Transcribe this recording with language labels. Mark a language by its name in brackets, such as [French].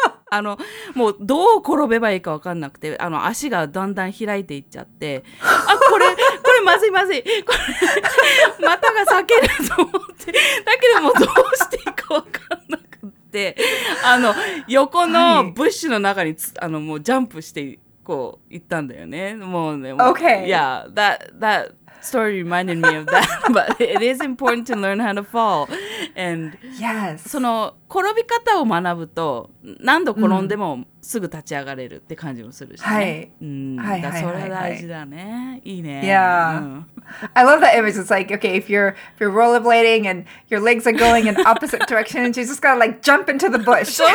[Japanese] あの、もうどう転べばいいか分かんなくて、あの足がだんだん開いていっちゃって、あ、これ、これまずいまずい。これ、股が裂けると思って、だけどもうどうしていいか分かんなくて、あの、横のブッシュの中につ、はい、あの、もうジャンプして、こう、行ったんだよね。もうね、もう、 [English] okay. Yeah, that story reminded me of that, but it is important to learn how to fall. And yes. [Japanese] その転び方を学ぶと何度転んでもすぐ立ち上がれるって感じもするし、ね。はい。はい。それは大事だね。いいね。 [English] Yeah. I love that image. It's like, okay, if you're rollerblading and your legs are going in opposite directions, you just gotta like jump into the bush.